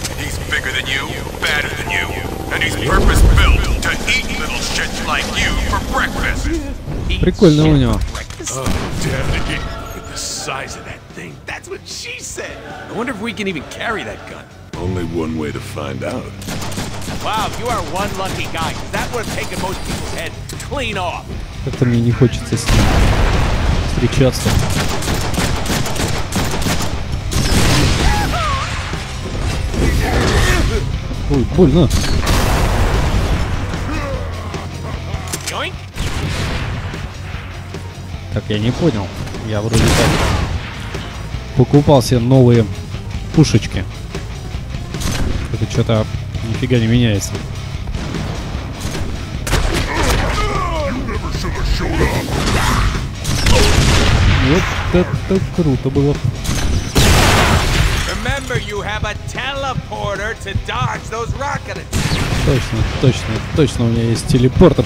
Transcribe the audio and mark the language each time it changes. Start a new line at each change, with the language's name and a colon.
English: He's bigger than you, badder than you, and he's purpose-built to eat little shit like you for breakfast!
Russian: Прикольно у него.
English: Oh, damn it! Look at the size of that thing! That's what she said! I wonder if we can even carry that gun. Only one way to find out. Wow, you are one lucky guy. That would have taken most people's heads clean off.
Russian: Как-то мне не хочется с ним встречаться. Ой, больно. Так, я не понял. Я вроде как покупал себе новые пушечки. Это что-то нифига не меняется. Вот это круто было.
English: Remember, you have a teleporter to dodge those rocket attacks.
Russian: Точно, точно, точно у меня есть телепортер.